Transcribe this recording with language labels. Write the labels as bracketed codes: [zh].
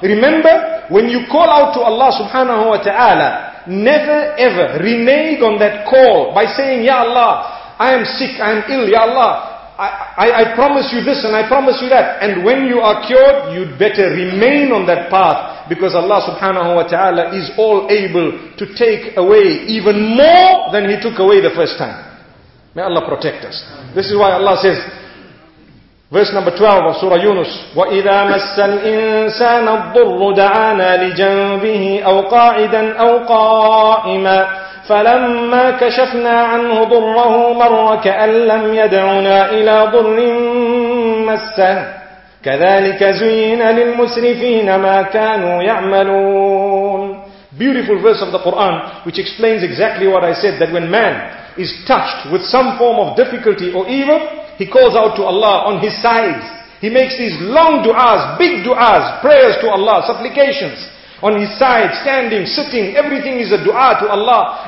[en] Remember, when you call out to Allah subhanahu wa ta'ala, never ever renege on that call by saying, Ya Allah, I am sick, I am ill, Ya Allah, I promise you this and I promise you that. And when you are cured, you'd better remain on that path, because Allah subhanahu wa ta'ala is all able to take away even more than He took away the first time. May Allah protect us. This is why Allah says, verse number 12 of Surah Yunus, [ar] وَإِذَا مَسَّ الْإِنسَانَ الضُّرُّ دَعَانَا لِجَنْبِهِ أَوْ قَاعِدًا أَوْ قَائِمًا فَلَمَّا كَشَفْنَا عَنْهُ ضُرَّهُ مَرَّ كَأَنْ لَمْ يَدْعُنَا إِلَى ضُرٍّ مَسَّهُ كَذَلِكَ زُيِّنَ لِلْمُسْرِفِينَ مَا كَانُوا يَعْمَلُونَ. [en] Beautiful verse of the Quran, which explains exactly what I said, that when man is touched with some form of difficulty or evil, he calls out to Allah on his sides. He makes these long du'as, big du'as, prayers to Allah, supplications. On his side, standing, sitting, everything is a dua to Allah.